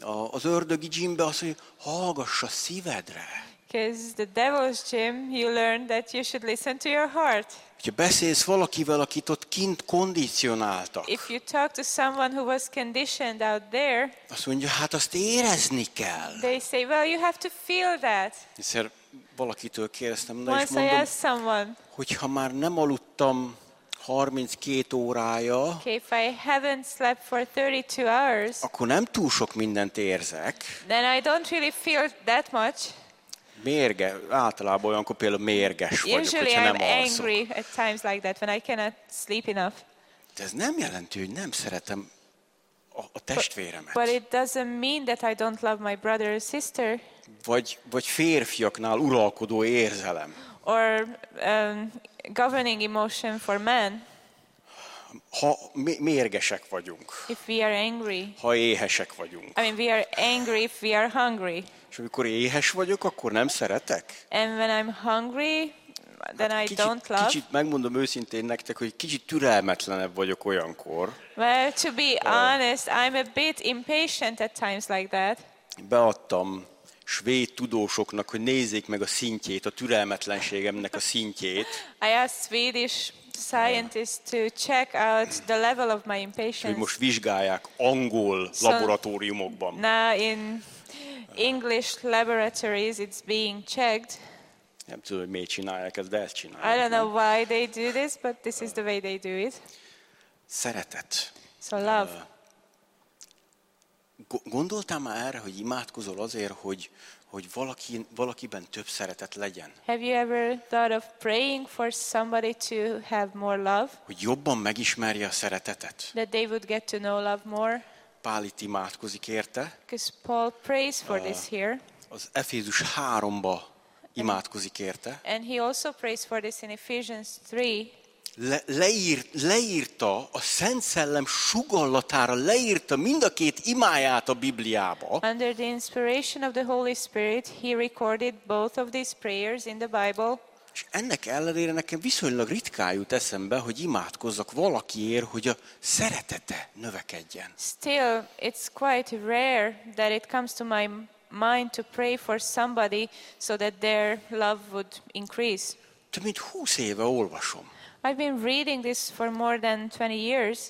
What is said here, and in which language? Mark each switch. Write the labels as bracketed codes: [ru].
[hu] Az ördögi gymbe azt mondja, hallgass a szívedre. [en] Because the devil's gym, you learn that you should listen to your heart. [hu] Ha beszélsz valakivel, akit ott kint kondicionáltak. [en] If you talk to someone who was conditioned out there. [hu] Azt mondja, hát azt érezni kell. [en] They say, well, you have to feel that. [hu] Egyszer valakitől kérdeztem, de [en] once [hu] mondom, [en] I asked someone, [hu] hogyha már nem aludtam 32 órája. [en] Okay, if I haven't slept for 32 hours. [hu] Akkor nem túl sok mindent érzek. [en] Then I don't really feel that much. [hu] Mérge, általában olyankor például mérges vagyok, [en] usually [hu] hogyha [en] I'm [hu] nem alszok. [en] Angry at times like that when I cannot sleep enough. [hu] De ez nem jelenti, hogy nem szeretem a testvéremet. [en] But it doesn't mean that I don't love my brother or sister. [hu] Vagy férfiaknál uralkodó érzelem. [en] Or governing emotion for men. [hu] Ha mérgesek vagyunk. [en] If we are angry. [hu] Ha éhesek vagyunk. [en] I mean, we are angry if we are hungry. [hu] És amikor éhes vagyok, akkor nem szeretek. [en] And when I'm hungry, then [hu] hát kicsit, [en] I don't love. [hu] Kicsit megmondom őszintén nektek, hogy kicsit türelmetlenebb vagyok olyankor. [en] Well, to be honest, I'm a bit impatient at times like that. [hu] Beadtam svéd tudósoknak, hogy nézzék meg a szintjét, a türelmetlenségemnek a szintjét. [en] I asked Swedish scientists to check out the level of my impatience. [hu] Hogy most vizsgálják angol laboratóriumokban. [en] Now in English laboratories it's being checked. [hu] Nem tudom, hogy miért csinálják ezt, de ezt csinálják. [en] I don't know why they do this, but this is the way they do it. [hu] Szeretet. [en] So love. [hu] Gondoltál már erre, hogy imádkozol azért, hogy valakiben több szeretet legyen? [en] Have you ever thought of praying for somebody to have more love? [hu] Hogy jobban megismerje a szeretetet? [en] That they would get to know love more? [hu] Pál itt imádkozik érte. [en] Because Paul prays for this here. [hu] Az Efézus 3-ba imádkozik érte. [en] And he also prays for this in Ephesians 3. [hu] Leírta a Szent Szellem sugallatára, leírta mind a két imáját a Bibliába. [en] Under the inspiration of the Holy Spirit, he recorded both of these prayers in the Bible. [hu] És ennek ellenére nekem viszonylag ritkán jut eszembe, hogy imádkozzak valakiért, hogy a szeretete növekedjen. [en] Still, it's quite rare that it comes to my mind to pray for somebody so that their love would increase. [hu] Több mint 20 éve olvasom. [en] I've been reading this for more than 20 years.